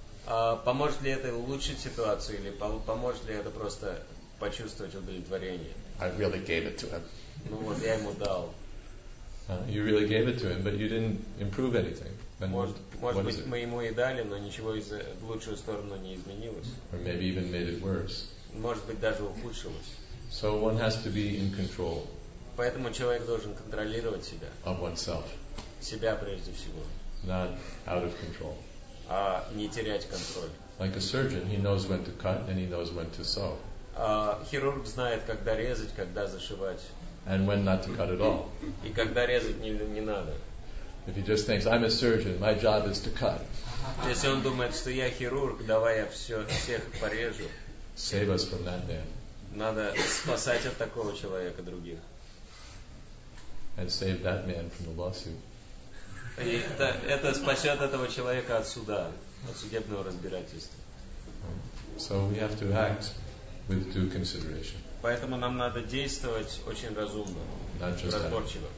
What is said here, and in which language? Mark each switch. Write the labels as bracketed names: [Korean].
[Russian] Поможет ли это улучшить ситуацию или поможет ли это просто почувствовать удовлетворение? [English] I really gave it to him. [Russian] Ну вот я ему дал. [English] You really gave it to him, but you didn't improve anything. [Russian] Then может быть, мы ему и дали, но ничего в лучшую сторону не изменилось. [English] Or maybe even made it worse. [Russian] Может быть, даже ухудшилось. [English] So one has to be in control. [Russian] Поэтому человек должен контролировать себя. [English] Of oneself. [Russian] Себя прежде всего. [English] Not out of control. [Russian] А не терять контроль. [English] Like a surgeon, he knows when to cut and he knows when to sew. [Russian] Хирург знает, когда резать, когда зашивать. [English] And when not to cut at all. [Russian] И когда резать не надо. [English] If he just thinks, I'm a surgeon, my job is to cut. [Russian] Если он думает, что я хирург, давай я всех порежу. [English] Save us from that man. [Russian] Надо спасать от такого человека других. [English] And save that man from the lawsuit. [Russian] И это спасет этого человека от суда, от судебного разбирательства. [English] So we have to act with due consideration. [Russian] Поэтому нам надо действовать очень разумно, разборчиво.